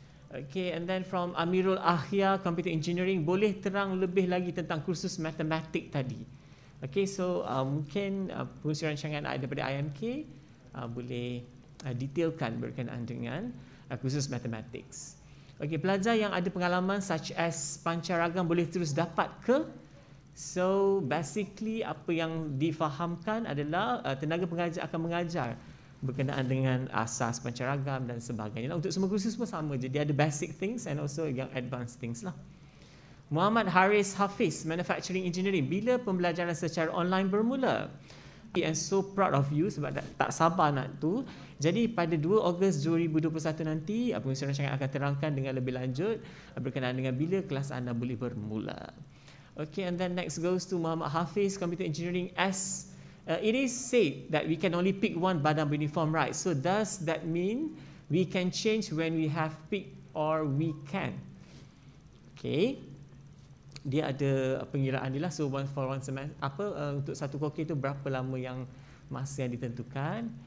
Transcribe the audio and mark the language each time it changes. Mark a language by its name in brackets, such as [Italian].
[English] Okay, and then from Amirul Ahya, Computer Engineering. [Malay] Boleh terang lebih lagi tentang kursus matematik tadi? Okay, so mungkin pengurusi rancangan daripada IMK boleh detailkan berkenaan dengan kursus matematik. Okay, pelajar yang ada pengalaman such as pancaragam boleh terus dapat ke? So, basically apa yang difahamkan adalah tenaga pengajar akan mengajar berkenaan dengan asas pancaragam dan sebagainya. Untuk semua kursus pun sama je. Dia ada [English] basic things and also [Malay] yang [English] advanced things [Malay] lah. Muhammad Haris Hafiz, Manufacturing Engineering. Bila pembelajaran secara online bermula? [English] I am so proud of you [Malay] sebab tak sabar nak tu. Jadi pada 2 Ogos 2021 nanti, pengurusi rancangan akan terangkan dengan lebih lanjut berkenaan dengan bila kelas anda boleh bermula. [English] Okay, and then next goes to Muhammad Hafiz, Computer Engineering S. It is said that we can only pick one [Malay] badan uniform, [English] right? So does that mean we can change when we have picked or we can? Okay. [Malay] Dia ada pengiraan dia lah. [English] So one for one semester. [Malay] Apa untuk satu koki tu berapa lama yang masa yang ditentukan?